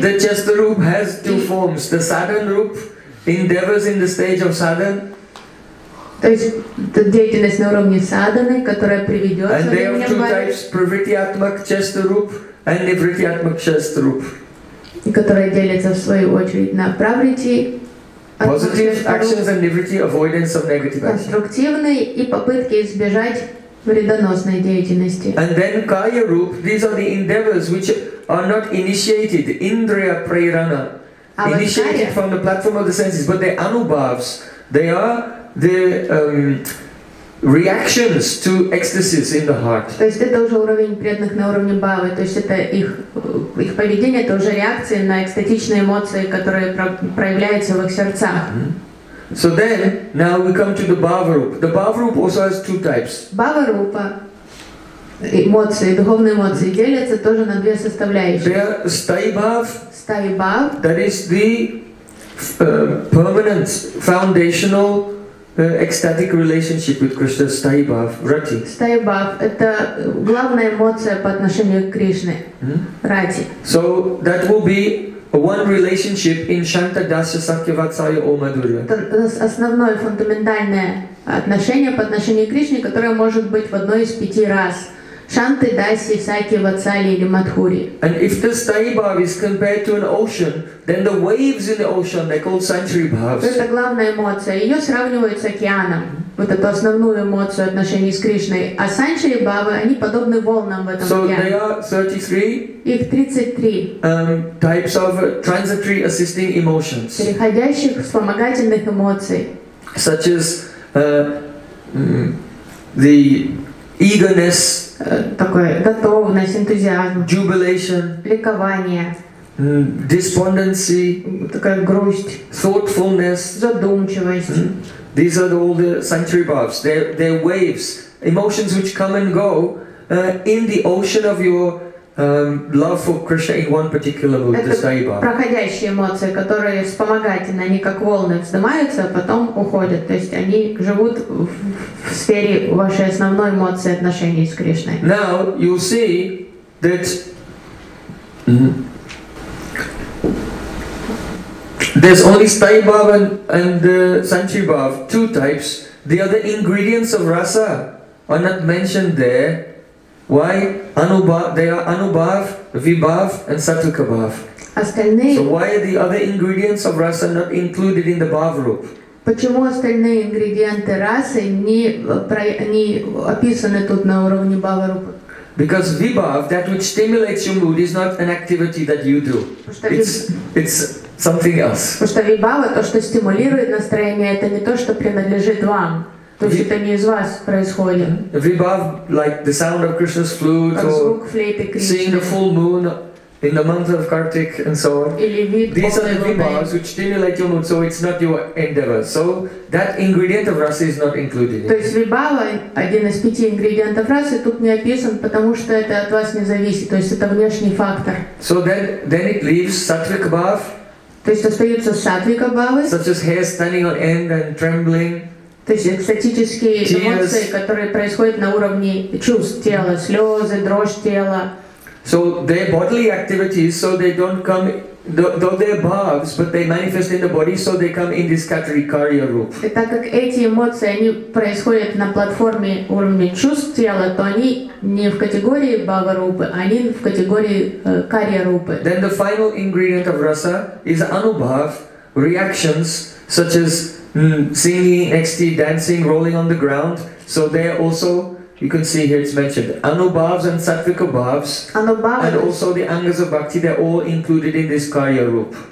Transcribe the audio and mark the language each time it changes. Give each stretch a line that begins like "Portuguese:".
English: The chasta rupa has two forms, the sadhana rupa, endeavors in the stage of sadhana.
Russian: То есть деятельность на уровне садханы, которая приведет к уровню
English: бхакти. And there are two types: pravrittiatmak chasta rupa and nivrittiatmak chasta rupa.
Russian: Которая делится в свою очередь на pravritti.
English: Positive actions and nivritti, avoidance of negative actions.
Russian: Конструктивные и попытки избежать вредоносной деятельности.
English: And then kaya rupa. These are the endeavors which are not initiated. Indriya prerana. Initiated from the platform of the senses, but they're anubhavs. They are the reactions to ecstasies in the heart.
Russian: То есть это уже уровень преданных на уровне бхавы. То есть это их поведение, это уже реакции на экстатичные эмоции, которые проявляются в их сердцах.
English: So then, now we come to the bhava rupa. The bhava rupa also has two types.
Russian: Bhava rupa эмоции, духовные эмоции делятся тоже на две составляющие.
English: There is sthayi bhav. Sthayi bhav. That is the permanent, foundational. Ecstatic relationship with Krishna, sthayi bhav, rati.
Russian: Sthayi bhav – это главная эмоция по отношению к Кришне, рати.
English: So that will be one relationship in Shanta Dasya Sakya Vatsaya or Madhurya.
Russian: Это основное фундаментальное отношение по отношению к Кришне, которое может быть в одной из пяти раз. Шанты, Даси, Саки, Ватсали или Мадхури.
English: And if the sthayi bhava is compared to an ocean, then the waves in the ocean, they're called sanchari bhavas.
Russian: Это главная эмоция. Ее сравнивают с океаном. Вот эту основную эмоцию отношений с Кришной. А sanchari bhava, они подобны волнам в этом
English: so
Russian: океане.
English: So there are 33.
Russian: Их 33.
English: Types of transitory assisting emotions.
Russian: Переходящих вспомогательных эмоций.
English: Such as the eagerness.
Russian: Такое готовность, энтузиазм,
English: jubilation,
Russian: ликование,
English: despondency,
Russian: такая грусть,
English: thoughtfulness,
Russian: задумчивость.
English: These are all the sanctuary bhavs. They're waves, emotions which come and go in the ocean of your love for Krishna in one particular mood, the sthayi bhava.
Russian: Это проходящие эмоции, которые вспомогательно, они как волны вздымаются, а потом уходят. То есть они живут в сфере вашей основной эмоции отношений с Кришной.
English: Now you see that there's only sthayi bhava and sanchari bhava, two types. The other ingredients of rasa are not mentioned there. Why Anubhav, they are Anubhav, Vibhav and Satvikabhav.
Russian: Остальные...
English: So why are the other ingredients of rasa not included in the bhav roop?
Russian: Почему остальные ингредиенты расы не, не описаны тут на уровне бхава рупы? Because vibhav, that which stimulates your mood, is not an activity that you do. It's something else. Потому что вибава, то, что стимулирует настроение, это не то, что принадлежит вам. То есть это не из вас происходит.
English: Vibhav, like the sound of Krishna's flute,
Russian: как
English: or
Russian: звук флейты Кришны.
English: Seeing the full moon in the month of Kartik and so on. These are the vibhavas which stimulate your mood, so it's not your endeavor. So that ingredient of rasa is not included.
Russian: То есть вибава, один из пяти ингредиентов расы, тут не описан, потому что это от вас не зависит. То есть это внешний фактор.
English: So then it leaves sattvic bhav.
Russian: То есть остаются сатвика бхавы.
English: Such as hair standing on end and trembling.
Russian: То есть экстатические эмоции, которые происходят на уровне чувств тела, слезы, дрожь тела.
English: So their bodily activities, so they don't come, though they're bhavs, but they manifest in the body, so they come in this category, karya roop.
Russian: И так как эти эмоции, они происходят на платформе уровня чувств тела, то они не в категории бхава рупы, они в категории карья рупы.
English: Then the final ingredient of rasa is anubhav, reactions such as singing, ecstasy, dancing, rolling on the ground, so they are also, you can see here it's mentioned, anubhavs and sattvika bhavs, and also the angas of bhakti, they're all included in this karya roop.